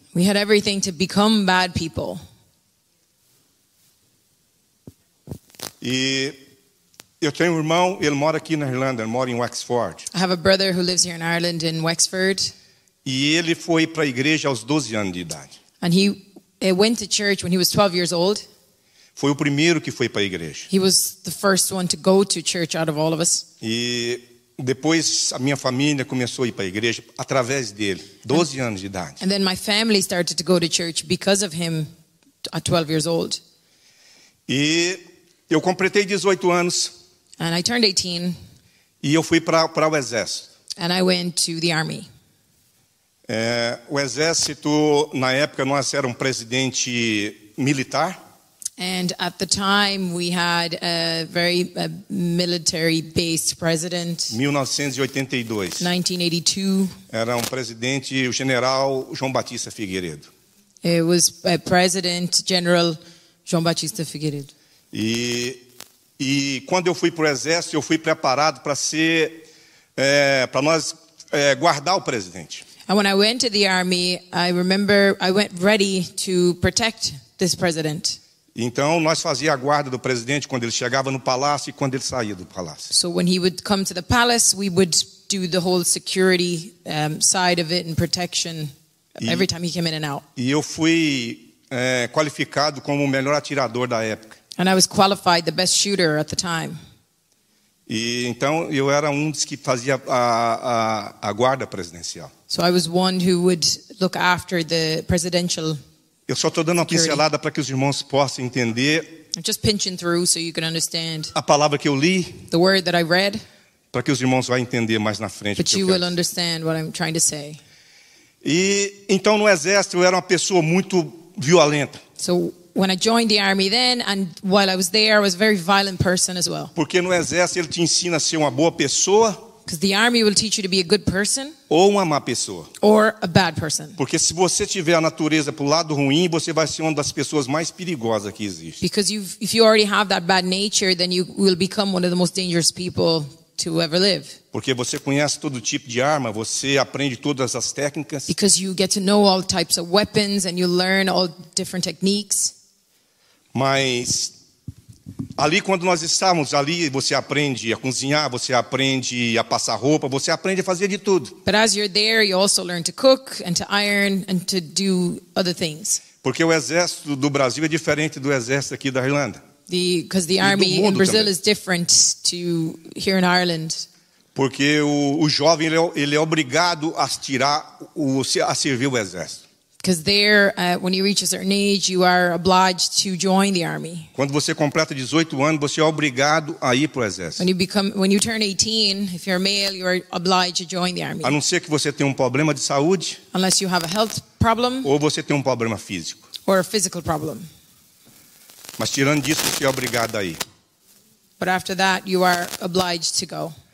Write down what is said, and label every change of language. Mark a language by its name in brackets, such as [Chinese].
[English] We had everything to become bad people. [Portuguese] E eu tenho um irmão, ele mora aqui na Irlanda, ele mora em Wexford. [English] I have a brother who lives here in Ireland in Wexford. [Portuguese] E ele foi para a igreja aos 12 anos de idade. [English] And he went to church when he was 12 years old. [Portuguese] Foi o primeiro que foi para a igreja. [English] He was the first one to go to church out of all of us. [Portuguese] E depois a minha família começou a ir para a igreja através dele, 12 anos de idade. [English] And then my family started to go to church because of him at 12 years old. [Portuguese] E eu completei 18 anos. [English] And I turned 18. [Portuguese] E eu fui para o exército. [English] And I went to the army. [Portuguese] É, o exército, na época, nós era um presidente militar. [English] And at the time, we had a very military-based president. [Portuguese] 1982. Era um presidente, o general João Batista Figueiredo. [English] It was a president, General João Batista Figueiredo. [Portuguese] E quando eu fui para o exército, eu fui preparado para ser, para nós guardar o presidente. [English] And when I went to the army, I remember I went ready to protect this president. [Portuguese] Então nós fazia a guarda do presidente quando ele chegava no palácio e quando ele saía do palácio. [English] So when he would come to the palace, we would do the whole security side of it and protection every time he came in and out. [Portuguese] E eu fui qualificado como o melhor atirador da época. [English] And I was qualified the best shooter at the time. [Portuguese] E então eu era um dos que fazia a guarda presidencial. [English] So I was one who would look after the presidential. [Portuguese] Eu só estou dando uma pincelada para que os irmãos possam entender. [English] I'm just pinching through so you can understand. [Portuguese] A palavra que eu li. [English] The word that I read. [Portuguese] Para que os irmãos vão entender mais na frente. [English] But you will understand what I'm trying to say. [Portuguese] E então no exército eu era uma pessoa muito violenta. [English] So when I joined the army then, and while I was there, I was a very violent person as well. [Portuguese] Porque no exército ele te ensina a ser uma boa pessoa. [English] Because the army will teach you to be a good person. [Portuguese] Ou uma má pessoa. [English] Or a bad person. [Portuguese] Porque se você tiver a natureza pro lado ruim, você vai ser uma das pessoas mais perigosas que existe. [English] Because if you already have that bad nature, then you will become one of the most dangerous people to ever live. [Portuguese] Porque você conhece todo tipo de arma, você aprende todas as técnicas. [English] Because you get to know all types of weapons and you learn all different techniques. [Portuguese] Mas ali quando nós estávamos ali, você aprende a cozinhar, você aprende a passar roupa, você aprende a fazer de tudo. [English] But as you're there, you also learn to cook and to iron and to do other things. [Portuguese] Porque o exército do Brasil é diferente do exército aqui da Irlanda. [English] Because the army in Brazil [Portuguese] também [English] is different to here in Ireland. [Portuguese] Porque o jovem ele é obrigado a tirar a servir o exército. [English] Because there, when you reach a certain age, you are obliged to join the army. [Portuguese] Quando você completa 18 anos, você é obrigado a ir para o exército. [English] When you turn 18, if you're a male, you are obliged to join the army. [Portuguese] A não ser que você tenha um problema de saúde. [English] Unless you have a health problem. [Portuguese] Ou você tenha um problema físico. [English] Or a physical problem. [Portuguese] Mas tirando disso, você é obrigado a ir. [English] But after that, you are obliged to go.